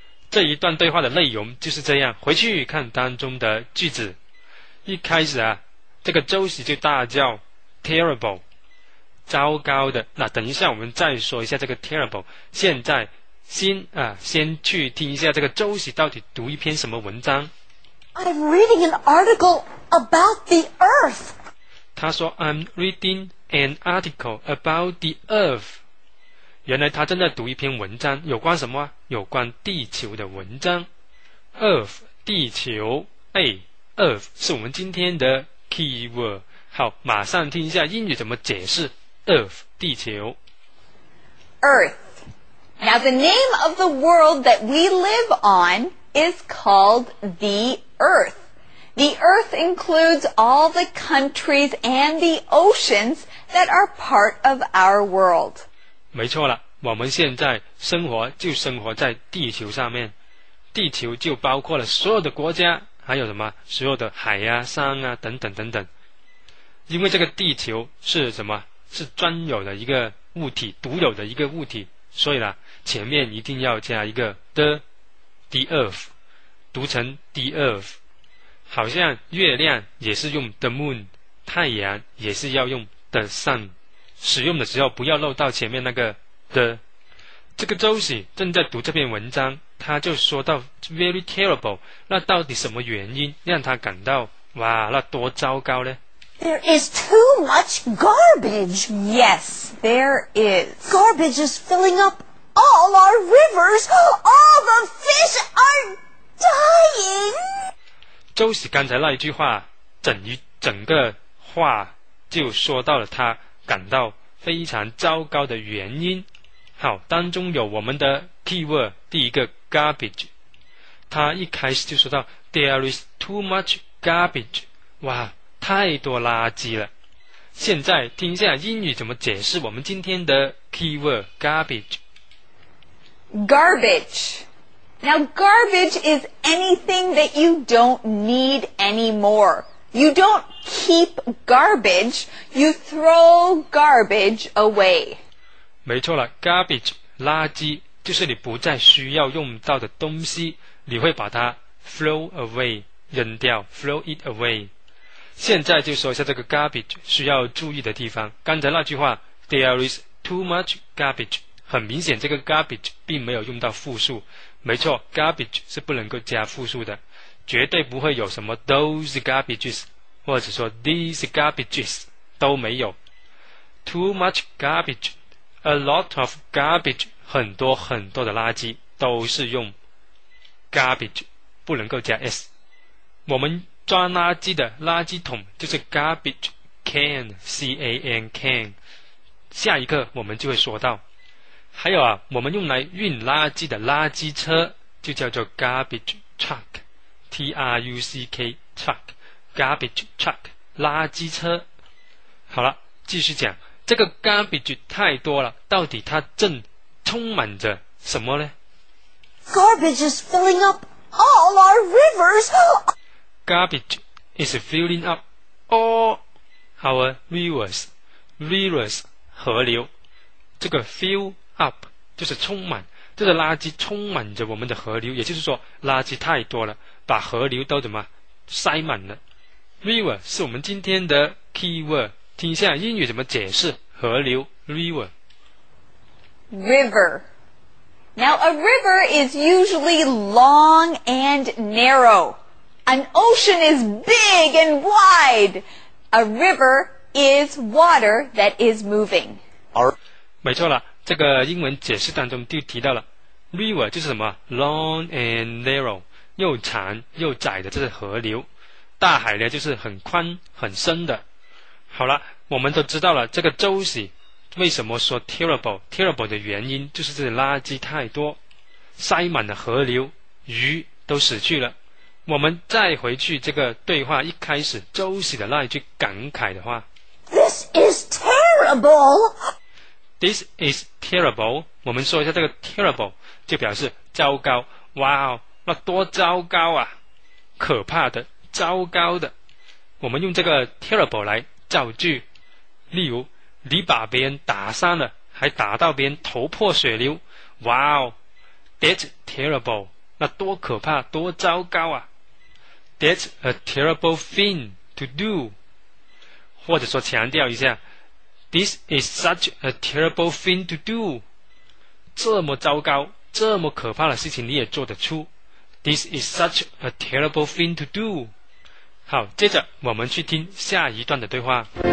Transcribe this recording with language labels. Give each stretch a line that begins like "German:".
Chinese: 这一段对话的内容就是这样，回去看当中的句子。一开始啊，这个 Josie 就大叫 terrible， 糟糕的。那等一下我们再说一下这个 terrible， 现在先去听一下这个 Josie 到底读一篇什么文章。
English: I'm reading an article about the earth.
Chinese: 他说
English: I'm reading an article about the earth。
Chinese: 原来他正在读一篇文章，有关什么？有关地球的文章。 earth 地球 earth 是我们今天的keyword。好，马上听一下英语怎么解释 Earth 地球。
English: Earth. Now the name of the world that we live on is called the Earth. The Earth includes all the countries and the oceans that are part of our world.
Chinese: 没错了，我们现在生活就生活在地球上面，地球就包括了所有的国家，还有什么所有的海啊山啊等等等等。因为这个地球是什么，是专有的一个物体，独有的一个物体，所以呢前面一定要加一个
English: the earth，
Chinese: 读成 the earth。好像月亮也是用
English: the moon，
Chinese: 太阳也是要用
English: the sun，
Chinese: 使用的时候不要漏到前面那个 the。这个周喜正在读这篇文章，他就说到
English: very terrible，
Chinese: 那到底什么原因让他感到哇那多糟糕呢？
English: There is too much garbage. Yes, there is. Garbage is filling up All our rivers, all the fish are dying.
Chinese: 周喜刚才那一句话，整个话就说到了他感到非常糟糕的原因。好，当中有我们的 keyword， 第一个 garbage。他一开始就说到 ，
English: There is too much garbage。
Chinese: 哇，太多垃圾了。现在听一下英语怎么解释我们今天的 keyword garbage。
English: Garbage. Now, garbage is anything that you don't need anymore. You don't keep garbage. You throw garbage away.
Chinese: 没错了 ，garbage 垃圾就是你不再需要用到的东西，你会把它
English: throw away
Chinese: 扔掉 ，
English: throw it away。
Chinese: 现在就说一下这个 garbage 需要注意的地方。刚才那句话
English: ，There is too much garbage.
Chinese: 很明显这个 garbage 并没有用到复数，没错 garbage 是不能够加复数的，绝对不会有什么
English: those garbages
Chinese: 或者说
English: these garbages
Chinese: 都没有。
English: too much garbage a lot of garbage
Chinese: 很多很多的垃圾都是用 garbage 不能够加 s， 我们装垃圾的垃圾桶就是
English: garbage can C-A-N can，
Chinese: 下一个我们就会说到。还有啊，我们用来运垃圾的垃圾车就叫做 garbage truck，
English: T-R-U-C-K truck，
Chinese: garbage truck 垃圾车。好了，继续讲，这个 garbage 太多了，到底它正充满着什么呢？
English: Garbage is filling up all our rivers. Garbage is filling up all our rivers.
Chinese: Rivers 河流，这个
English: fill up
Chinese: 就是充满，这个垃圾充满着我们的河流，也就是说垃圾太多了，把河流都怎么塞满了。 River 是我们今天的 keyword， 听一下英语怎么解释河流 River。
English: River. Now a river is usually long and narrow. An ocean is big and wide. A river is water that is moving.
Chinese: 没错了，这个英文解释当中就提到了 river 就是什么
English: long and narrow，
Chinese: 又长又窄的，这是河流。大海呢就是很宽很深的。好了，我们都知道了这个周喜为什么说 terrible 的原因就是这垃圾太多，塞满了河流，鱼都死去了。我们再回去这个对话一开始周喜的那一句感慨的话，
English: This is terrible. This is terrible.
Chinese: 我们说一下这个 terrible， 就表示糟糕。哇哦，那多糟糕啊！可怕的，糟糕的。我们用这个 terrible 来造句，例如你把别人打伤了，还打到别人头破血流。
English: 哇哦 ，that's terrible.
Chinese: 那多可怕，多糟糕啊
English: ！That's a terrible thing to do.
Chinese: 或者说强调一下。
English: This is such a terrible thing to do.
Chinese: 这么糟糕，这么可怕的事情你也做得出。
English: This is such a terrible thing to do.
Chinese: 好，接着我们去听下一段的对话。